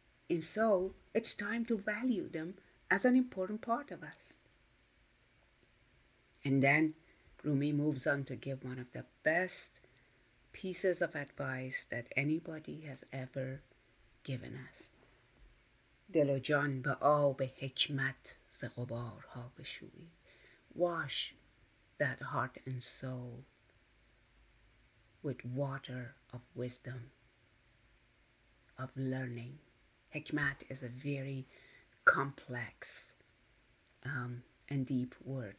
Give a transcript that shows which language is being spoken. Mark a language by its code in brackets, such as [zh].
[en] And so it's time to value them as an important part of us. And then Rumi moves on to give one of the best pieces of advice that anybody has ever given us. [fa] دل و جان به آب حکمت ز غبارها بشویی. [en] Wash that heart and soul with water of wisdom, of learning. Hikmat is a very complex and deep word.